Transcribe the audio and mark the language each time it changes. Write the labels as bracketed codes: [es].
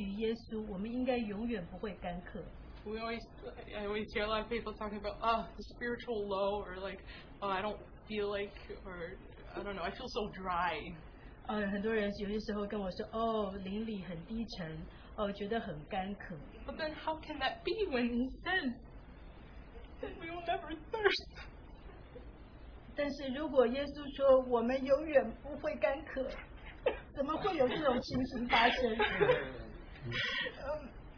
[zh] 而我呢，我应该被提醒，就是在我们里面有那活水，是来自于耶稣，我们应该永远不会干渴。 [en] We always hear a lot of people talking about the spiritual low, or like, oh, I don't feel like, or I don't know, I feel so dry. [zh] 很多人有些时候跟我说，哦，灵里很低沉，哦，觉得很干渴。 [en] But then how can that be when he said that we will never thirst? [zh] 但是如果耶稣说我们永远不会干渴，怎么会有这种情形发生？